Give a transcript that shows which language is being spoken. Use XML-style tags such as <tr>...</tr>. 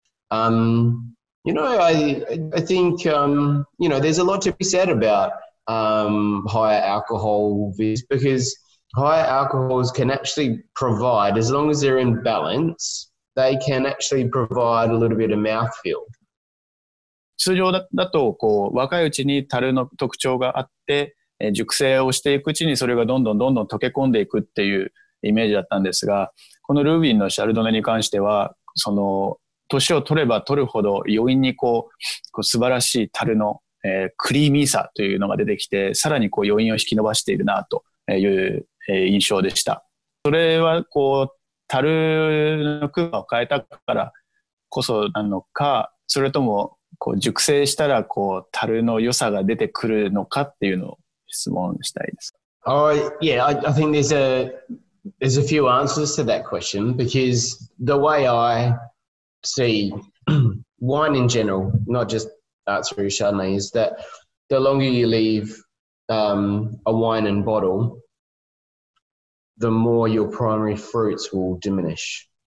<en>And, you know, I think, you know, there's a lot to be said about higher alcohol, because higher alcohols can actually provide, as long as they're in balance, they can actually provide a little bit of mouthfeel.</en> <ja>通常だとこう若いうちに樽の特徴があって、熟成をしていくうちにそれがどんどんどんどん溶け込んでいくっていうイメージだったんですが、このルーウィンのシャルドネに関しては、その年を取れば取るほど余韻にこう素晴らしい樽の、クリーミーさというのが出てきて、さらにこう余韻を引き伸ばしているなという、印象でした。それはこう樽のクーパーを変えたからこそなのか、それともこう熟成したらこう樽の良さが出てくるのかっていうのを質問したいですか。</ja> <en>I think there's a few answers to that question, because the way I see wine in general, not just Art Series Chardonnay, is that the longer you leave a wine in bottle, the more your primary fruits will diminish.</en>